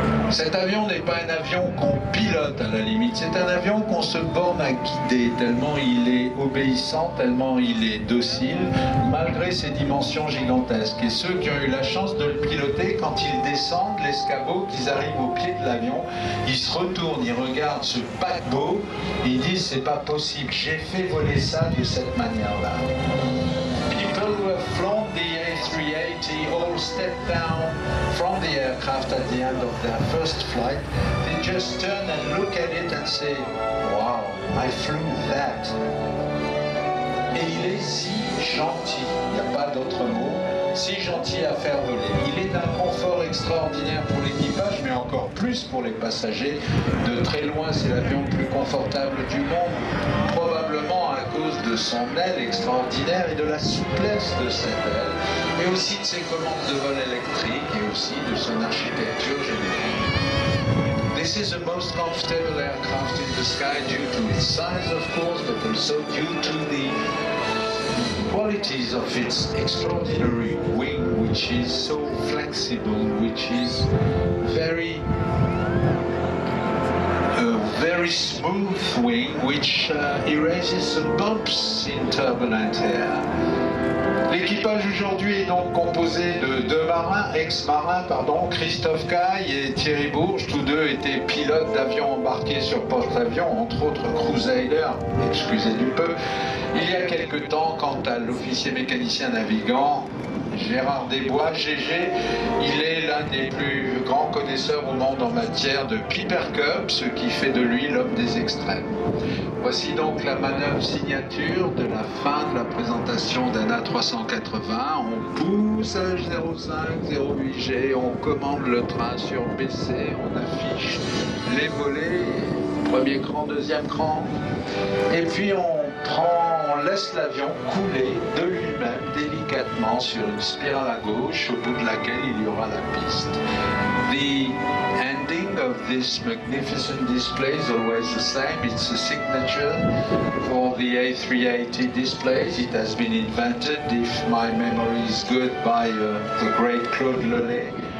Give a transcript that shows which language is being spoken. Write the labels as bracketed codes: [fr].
[fr] Cet avion n'est pas un avion qu'on pilote à la limite, c'est un avion qu'on se borne à guider, tellement il est obéissant, tellement il est docile, malgré ses dimensions gigantesques. Et ceux qui ont eu la chance de le piloter, quand ils descendent l'escabeau, qu'ils arrivent au pied de l'avion, ils se retournent, ils regardent ce paquebot, ils disent « c'est pas possible, j'ai fait voler ça de cette manière-là ». [en] People who have flown the A380 all step down from the aircraft at the end of their first flight. They just turn and look at it and say, wow, I flew that. [fr] Et il est si gentil, il n'y a pas d'autre mot, si gentil à faire voler. Il est d'un confort extraordinaire pour l'équipage, mais encore plus pour les passagers. De très loin, c'est l'avion le plus confortable du monde. Probablement à cause de son aile extraordinaire et de la souplesse de cette aile, mais aussi de ses commandes de vol électriques et aussi de son architecture générale. [en] This is the most comfortable aircraft in the sky due to its size, of course, but also due to the qualities of its extraordinary wing, which is so flexible, which is very, very smooth wing, which erases the bumps in turbulent air. [fr] L'équipage aujourd'hui est donc composé de deux marins, ex-marins, pardon, Christophe Caille et Thierry Bourge. Tous deux étaient pilotes d'avions embarqués sur porte-avions, entre autres Crusader, excusez du peu, il y a quelque temps. Quant à l'officier mécanicien navigant, Gérard Desbois, GG, il est l'un des plus grands connaisseurs au monde en matière de Piper Cup, ce qui fait de lui l'homme des extrêmes. Voici donc la manœuvre signature de la fin de la présentation d'un A380. On pousse à 05, 08G, on commande le train sur BC, on affiche les volets, premier cran, deuxième cran, et puis on laisse l'avion couler de lui-même délicatement sur une spirale à gauche au bout de laquelle il y aura la piste. [en] The ending of this magnificent display is always the same. It's a signature for the A380 displays. It has been invented, if my memory is good, by the great Claude Lelay.